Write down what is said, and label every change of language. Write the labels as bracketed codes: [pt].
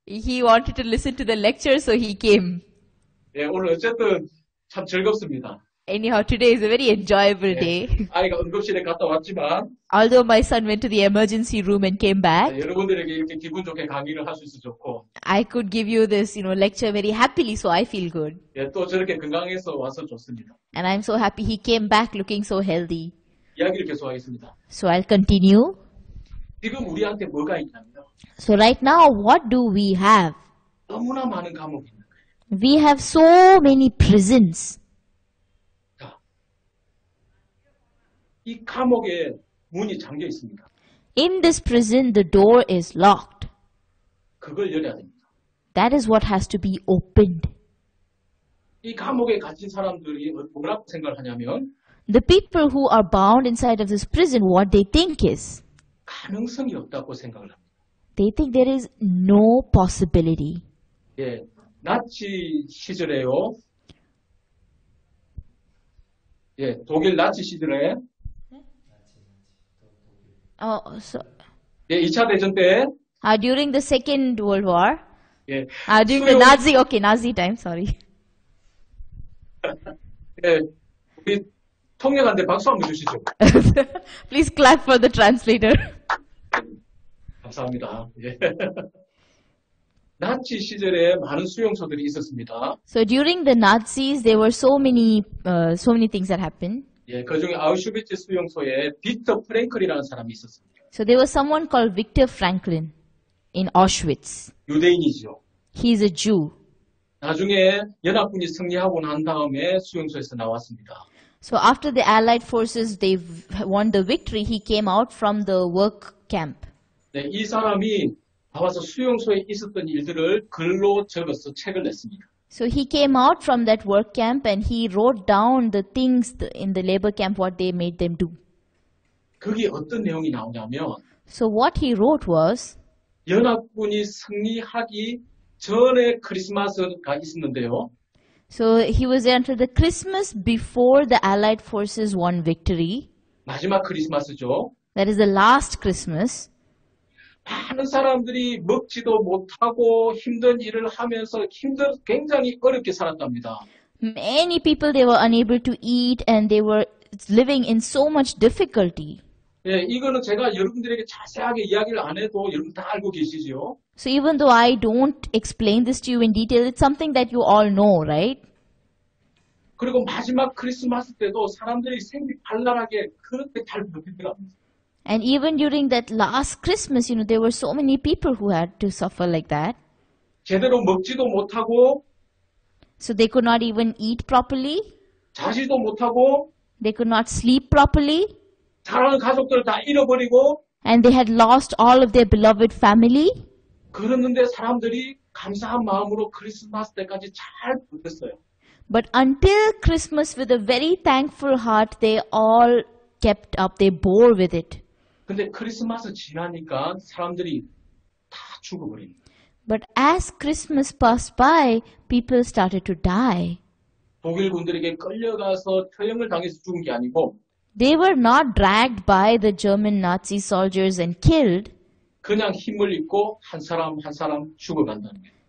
[en] He wanted to listen to the lecture, so he came. [ko] 예, 오늘 어쨌든 참 즐겁습니다. [en] Anyhow, today is a very enjoyable day. [ko] 아이가 응급실에 갔다 왔지만, [en] although my son went to the emergency room and came back, [ko] 예, 여러분들에게 이렇게 기분 좋게 강의를 할 수 있어 좋고, [en] I could give you this, you know, lecture very happily, so I feel good. [ko] 예, 또 저렇게 건강해서 와서 좋습니다. [en] And I'm so happy he came back looking so healthy. [ko] 이야기를 계속하겠습니다. [en] So I'll continue. [ko] 지금 우리한테 뭐가 있냐면 [en] So right now, what do we have? [ko] 너무나 많은 감옥이 있는 거예요. [en] We have so many prisons. [ko] 자, 이 감옥에 문이 잠겨 있습니다. [en] In this prison, the door is locked. [ko] 그걸 열어야 됩니다. [en] That is what has to be opened. [ko] 이 감옥에 갇힌 사람들이 뭐라고 생각하냐면 [en] The people who are bound inside of this prison, what they think is [ko] 가능성이 없다고 생각을 합니다. [en] They think there is no possibility. [ko] 예, 나치 시절에요. 예, 독일 나치 시절에. 네? 예, 2차 대전 때. [en] During the Second World War. [ko] 예. [en] During the Nazi, okay, Nazi time, sorry. [ko] 예, 우리 통역한테 박수 한번 주시죠. [en] Please clap for the translator. [ko] 감사합니다. 예. 나치 시절에 많은 수용소들이 있었습니다. [en] So during the Nazis, there were so many things that happened. [ko] 예, 그 중에 아우슈비츠 수용소에 빅터 프랭클이라는 사람이 있었습니다. [en] So there was someone called Victor Franklin in Auschwitz. [ko] 유대인이죠. [en] He is a Jew. [ko] 나중에 연합군이 승리하고 난 다음에 수용소에서 나왔습니다. [en] So after the Allied forces they won the victory, he came out from the work camp. [ko] 네, 이 사람이 나와서 수용소에 있었던 일들을 글로 적어서 책을 냈습니다. [en] So he came out from that work camp and he wrote down the things in the labor camp what they made them do. [ko] 거기 어떤 내용이 나오냐면 [en] So what he wrote was [ko] 연합군이 승리하기 전에 크리스마스가 있었는데요. [en] So he was there until the Christmas before the Allied forces won victory. [ko] 마지막 크리스마스죠. [en] That is the last Christmas. [ko] 많은 사람들이 먹지도 못하고 힘든 일을 하면서 힘들 굉장히 어렵게 살았답니다. [en] Many people they were unable to eat and they were living in so much difficulty. [ko] 예, 이거는 제가 여러분들에게 자세하게 이야기를 안 해도 여러분 다 알고 계시죠. [en] So even though I don't explain this to you in detail, it's something that you all know, right? [ko] 그리고 마지막 크리스마스 때도 사람들이 생기발랄하게 그렇게 잘 버티더라고요. [en] And even during that last Christmas, you know, there were so many people who had to suffer like that. [ko] 제대로 먹지도 못하고. [en] So they could not even eat properly. [ko] 자지도 못하고. [en] They could not sleep properly. [ko] 사랑하는 가족들을 다 잃어버리고. [en] And they had lost all of their beloved family. [ko] 그랬는데 사람들이 감사한 마음으로 크리스마스 때까지 잘 버텼어요. [en] But until Christmas, with a very thankful heart, they all kept up, they bore with it. [ko] 근데 크리스마스 지나니까 사람들이 다 죽어버린. [en] But as Christmas passed by, people started to die. [ko] 독일 군들에게 끌려가서 처형을 당해서 죽은 게 아니고. [en] They were not dragged by the German Nazi soldiers and killed. [ko] 그냥 힘을 잃고 한 사람 한 사람 죽어간다는 게.